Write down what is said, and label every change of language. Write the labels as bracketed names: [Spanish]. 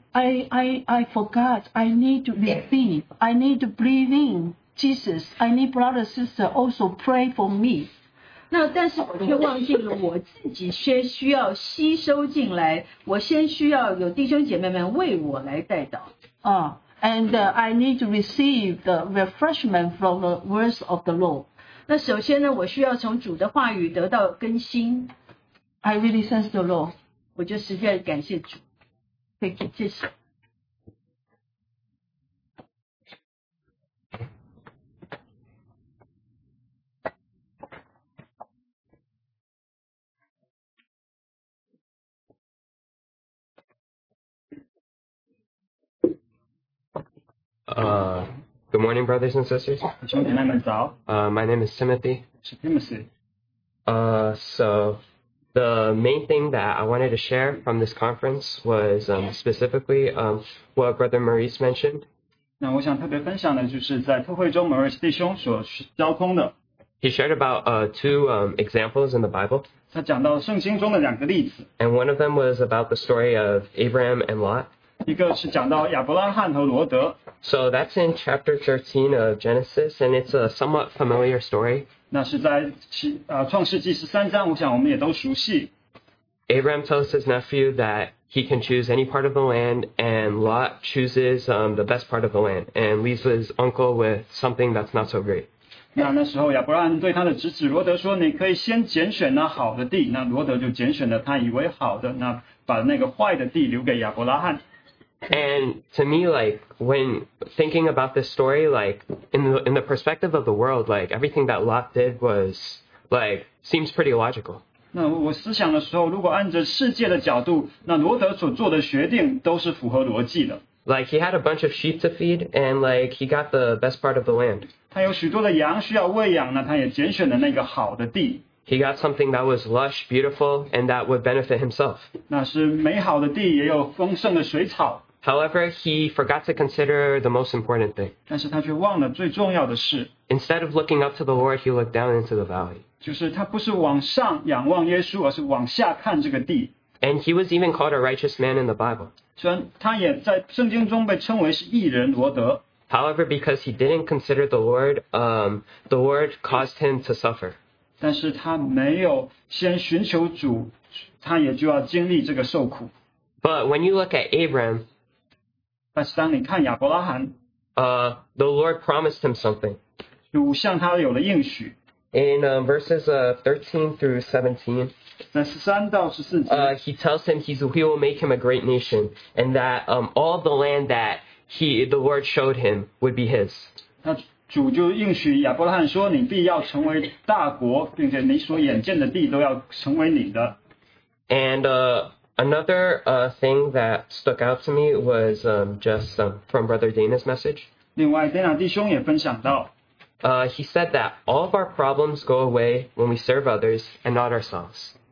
[English] I forgot, I need to repeat, I need to breathe in. Jesus, I need brother, sister, also pray for me. [Chinese] 那但是我却忘记了我自己先需要吸收进来，我先需要有弟兄姐妹们为我来代祷。 [English] I need to receive the refreshment from the words of the Lord. [Chinese] 那首先呢，我需要从主的话语得到更新。 [English] I really thank the Lord. [Chinese] 我就实在感谢主。 [English] Thank you. [Chinese] 谢谢。 [English] Good morning, brothers and sisters. My name is Timothy. So the main thing that I wanted to share from this conference was specifically what Brother Maurice mentioned. [Chinese] 那我想特别分享的就是在特会中 Maurice 弟兄所交通的。 [English] He shared about two examples in the Bible. [Chinese] 他讲到圣经中的两个例子。 [English] And one of them was about the story of Abraham and Lot. [Chinese] 一个是讲到亚伯拉罕和罗德。 [English] So that's in chapter 13 of Genesis, and it's a somewhat familiar story. [Chinese] 那是在创世纪十三章，我想我们也都熟悉。 [English] Abraham tells his nephew that he can choose any part of the land, and Lot chooses the best part of the land, and leaves his uncle with something that's not so great. [Chinese] 那时候亚伯拉罕对他的侄子罗德说，你可以先拣选那好的地，那罗德就拣选了他以为好的，那把那个坏的地留给亚伯拉罕。 [English] And to me, like, when thinking about this story, like, in the perspective of the world, like, everything that Lot did was, like, seems pretty logical. [Chinese] 那我思想的时候，如果按着世界的角度，那罗德所做的决定都是符合逻辑的。 [English] Like, he had a bunch of sheep to feed, and, like, he got the best part of the land. [Chinese] 他有许多的羊需要喂养，那他也拣选了那个好的地。 [English] He got something that was lush, beautiful, and that would benefit himself. [Chinese] 那是美好的地，也有丰盛的水草。 [English] However, he forgot to consider the most important thing. [Chinese] 但是他却忘了最重要的事。 [English] Instead of looking up to the Lord, he looked down into the valley. [Chinese] 就是他不是往上仰望耶稣，而是往下看这个地。 [English] And he was even called a righteous man in the Bible. [Chinese] 虽然他也在圣经中被称为是义人罗德。 [English] However, because he didn't consider the Lord caused him to suffer. [Chinese] 但是他没有先寻求主，他也就要经历这个受苦。 [English] But when you look at Abraham, [Chinese] 但是当你看亚伯拉罕 [English] the Lord promised him something. [Chinese] 主向他有了应许。 [English] In verses 13 through 17, [Chinese] 在13到14节 [English] he tells him he will make him a great nation, and that all the land that the Lord showed him would be his. [Chinese] 主就应许亚伯拉罕说：“你必要成为大国，并且你所眼见的地都要成为你的。” [English] And another thing that stuck out to me was from Brother Dana's message. [Chinese] 另外 ，Dana 弟兄也分享到 [English] ，He said that all of our problems go away when we serve others and not ourselves.